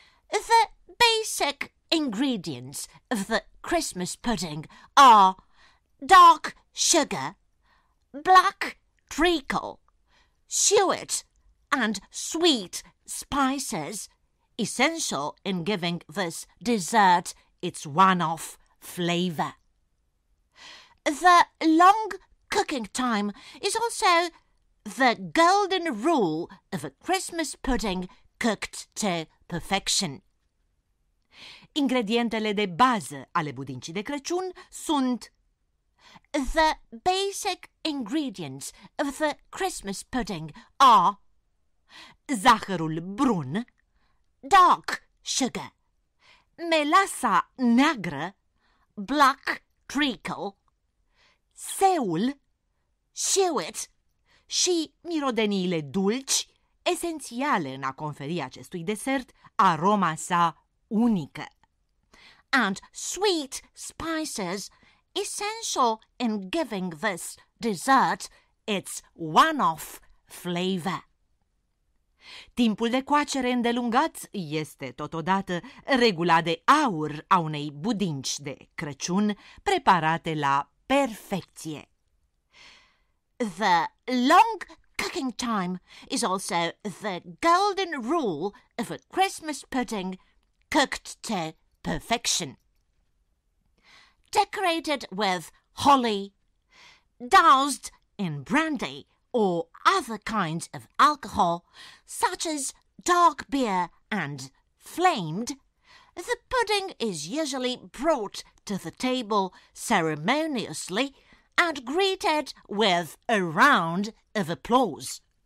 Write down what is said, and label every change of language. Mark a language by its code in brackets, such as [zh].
[en] The basic ingredients of the Christmas pudding are dark sugar, black treacle, suet and sweet spices, essential in giving this dessert its one-off flavour. The long cooking time is also the golden rule of a Christmas pudding cooked to perfection. [ro] Ingredientele de bază ale budincii de Crăciun sunt [en] the basic ingredients of the Christmas pudding are [ro] zahărul brun, [en] dark sugar, [ro] melasa neagră, [en] black treacle, [ro] seul, [en] suet [ro] și mirodeniile dulci, esențiale în a conferi acestui desert aroma sa unică. [en] And sweet spices, essential in giving this dessert its one-off flavor. [ro] Timpul de coacere îndelungat este totodată regula de aur a unei budinci de Crăciun preparate la perfecție. [en] The long cooking time is also the golden rule of a Christmas pudding cooked to perfection. Decorated with holly, doused in brandy, or other kinds of alcohol, such as dark beer and flamed, the pudding is usually brought to the table ceremoniously and greeted with a round of applause.